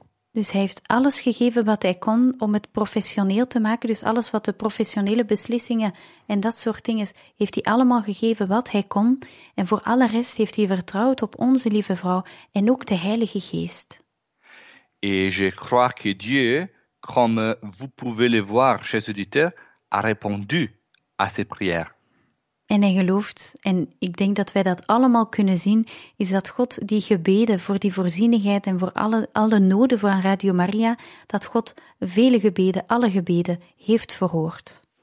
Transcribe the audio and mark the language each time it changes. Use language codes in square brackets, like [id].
[nl] Dus hij heeft alles gegeven wat hij kon om het professioneel te maken. Dus alles wat de professionele beslissingen en dat soort dingen, heeft hij allemaal gegeven wat hij kon. En voor alle rest heeft hij vertrouwd op onze lieve vrouw en ook de Heilige Geest. [fr] Et je crois que Dieu, comme vous pouvez le voir, chers auditeurs, a répondu à ses prières. [nl] En hij gelooft, en ik denk dat wij dat allemaal kunnen zien, is dat God die gebeden voor die voorzienigheid en voor alle noden van Radio Maria, dat God vele gebeden, alle gebeden, heeft verhoord.